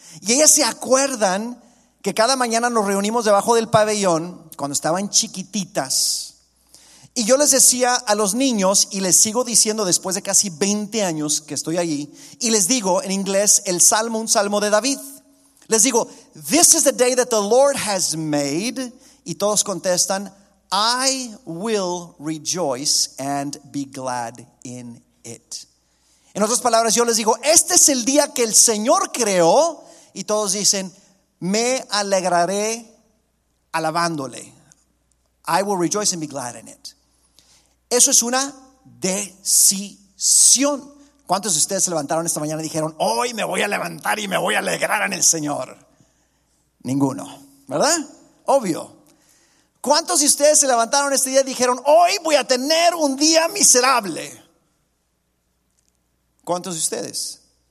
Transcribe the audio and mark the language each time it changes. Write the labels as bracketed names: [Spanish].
[Spanish] Y ellas se acuerdan que cada mañana nos reunimos debajo del pabellón cuando estaban chiquititas. Y yo les decía a los niños, y les sigo diciendo después de casi 20 años que estoy allí, y les digo en inglés el salmo, un salmo de David. Les digo: [English] this is the day that the Lord has made. [Spanish] Y todos contestan: [English] I will rejoice and be glad in it. [Spanish] En otras palabras, yo les digo: este es el día que el Señor creó. Y todos dicen: me alegraré a alabándole. [English] I will rejoice and be glad in it. [Spanish] Eso es una decisión. ¿Cuántos de ustedes se levantaron esta mañana y dijeron, hoy me voy a levantar y me voy a alegrar en el Señor? Ninguno, ¿verdad? Obvio. ¿Cuántos de ustedes se levantaron este día y dijeron, hoy voy a tener un día miserable? ¿Cuántos de ustedes?